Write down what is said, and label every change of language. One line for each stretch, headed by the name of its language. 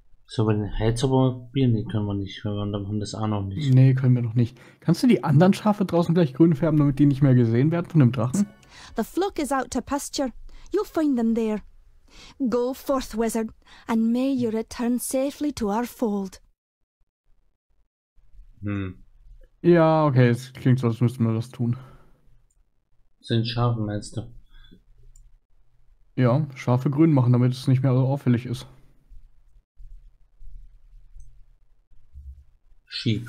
German: So, aber den Heilzauber probieren, den können wir nicht. Wir haben das auch noch nicht. Nee, können wir noch nicht. Kannst du die anderen Schafe draußen gleich grün färben, damit die nicht mehr gesehen werden von dem Drachen?
English: The flock is out to pasture. You'll find them there. Go forth, Wizard, and may you return safely to our fold.
German: Ja, okay, es klingt so, als müssten wir was tun. Sind Schafe, meinst du? Ja, Schafe grün machen, damit es nicht mehr so auffällig ist.
English: Sheep.